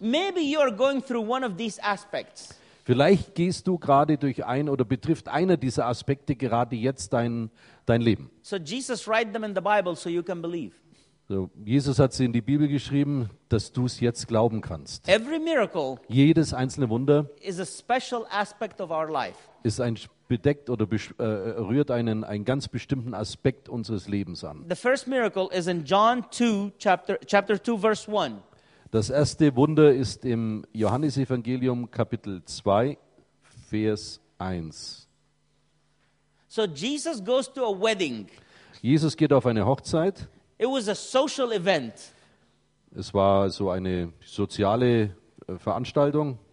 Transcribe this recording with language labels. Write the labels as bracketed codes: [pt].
[en] Maybe you are going through one of these aspects. [de] Vielleicht gehst du gerade durch ein oder betrifft einer dieser Aspekte gerade jetzt dein Leben. [en] So Jesus write them in the Bible so you can believe. [de] Jesus hat sie in die Bibel geschrieben, dass du es jetzt glauben kannst. [en] Every miracle, [de] jedes einzelne Wunder, [en] is a special aspect of our life. [de] Ist ein bedeckt oder rührt einen ganz bestimmten Aspekt unseres Lebens an. [en] The first miracle is in John 2, chapter 2, verse 1. [de] Das erste Wunder ist im Johannesevangelium, Kapitel 2, Vers 1. [en] So Jesus goes to a wedding. [de] Jesus geht auf eine Hochzeit. [en] It was a social event. [de] Es war so eine soziale Veranstaltung.